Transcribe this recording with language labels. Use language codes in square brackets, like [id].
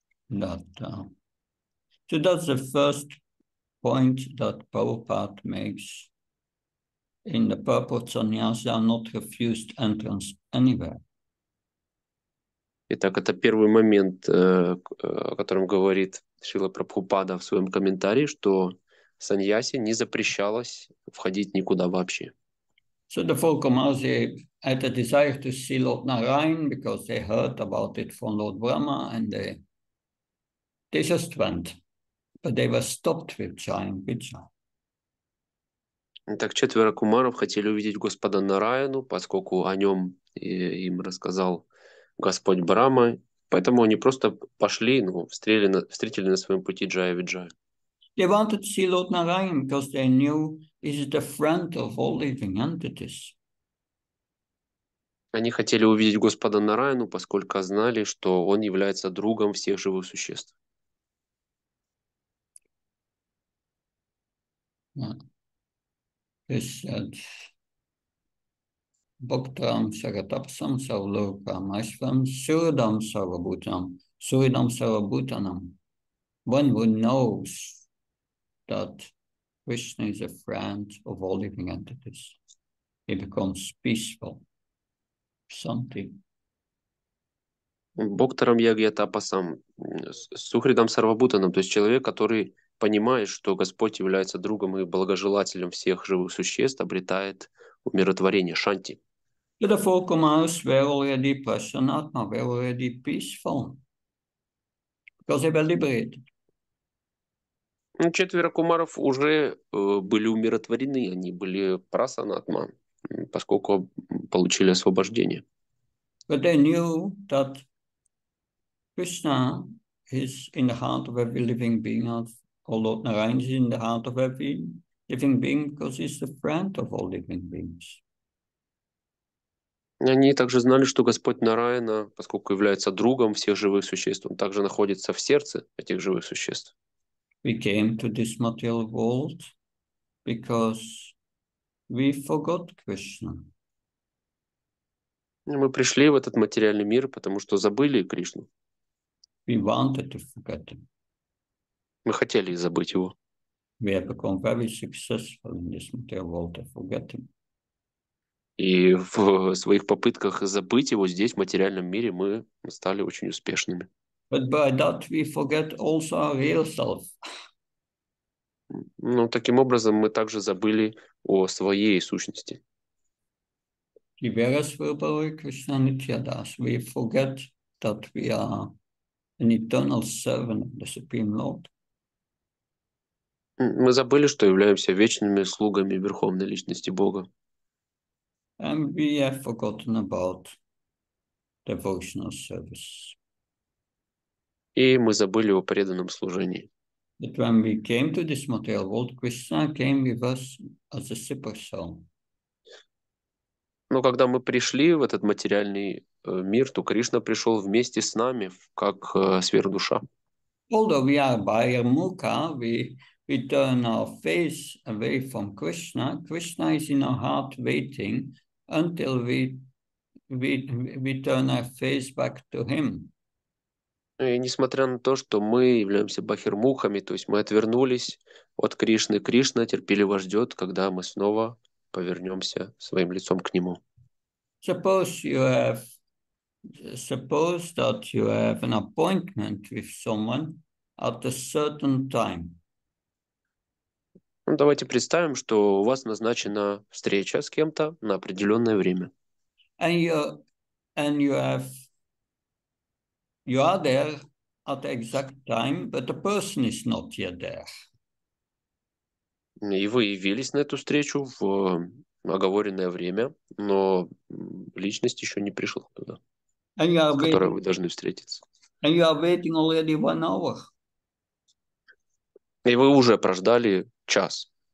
[en] That, so that's the first point that Prabhupada makes in the purport sannyasi are not refused entrance anywhere. [ru] Итак, это первый момент, о котором говорит Шрила Прабхупада в своем комментарии, что саньяси не запрещалось входить никуда вообще. [en] So the four Kumars had a desire to see Lord Narayan because they heard about it from Lord Brahma, and they just went, but they were stopped with giant Bija. [ru] Так четверо кумаров хотели увидеть Господа Нараяну, поскольку о нем им рассказал Господь Брама. Поэтому они просто пошли, ну, встретили на своем пути Джая Виджая. [en] They wanted to see Lord Narayan because they knew he's the friend of all living entities. [ru] Они хотели увидеть Господа Нараяну, поскольку знали, что он является другом всех живых существ. [sa] He said, Bhaktam Sagatapsam Savlokam Ashvam Suridam Sarvabhutanam Suridam Sarvabhutanam. [en] One who knows that Krishna is a friend of all living entities, he becomes peaceful. Something. [sa] Бхактарам Ягьятапасам Сухридам Сарвабутанам, [ru] то есть человек, который понимает, что Господь является другом и благожелателем всех живых существ, обретает умиротворение, шанти. [en] The four Kumaras were already prasannatma, were already peaceful, because they were liberated. [ru] Ну, четверо кумаров уже были умиротворены, они были прасанатма, поскольку получили освобождение. [en] But they knew that Krishna is in the heart of every living being, or Lord Narayan is in the heart of every living being, because he's the friend of all living beings. [ru] Они также знали, что Господь Нараяна, поскольку является другом всех живых существ, он также находится в сердце этих живых существ. [en] We came to this material world because we forgot Krishna. [ru] Мы пришли в этот материальный мир, потому что забыли Кришну. [en] We wanted to forget him. [ru] Мы хотели забыть его. [en] We have become very successful in this material world to forget him. [ru] И в своих попытках забыть его здесь, в материальном мире, мы стали очень успешными. [en] But by that we forget also our real self. [ru] Ну, таким образом, мы также забыли о своей сущности. [en] We forget that we are an eternal servant of the Supreme Lord. [ru] Мы забыли, что являемся вечными слугами Верховной Личности Бога. [en] And we have forgotten about devotional service. [ru] И мы забыли о преданном служении. [en] But when we came to this material world, Krishna came with us as a super soul. [ru] Но когда мы пришли в этот материальный мир, то Кришна пришел вместе с нами, как сверхдуша. [en] Although we are by Mukha, we turn our face away from Krishna. Krishna is in our heart waiting until we turn our face back to him. [ru] И несмотря на то, что мы являемся бахирмухами, то есть мы отвернулись от Кришны, Кришна терпеливо ждет, когда мы снова повернемся своим лицом к Нему. [en] Suppose that you have an appointment with someone at a certain time. [ru] Ну, давайте представим, что у вас назначена встреча с кем-то на определенное время. [en] You are there at the exact time, but the person is not yet there. [ru] И вы явились на эту встречу в оговоренное время, но личность еще не пришла туда, которой вы должны встретиться. [en] And you are waiting already 1 hour. [ru] И вы уже прождали час.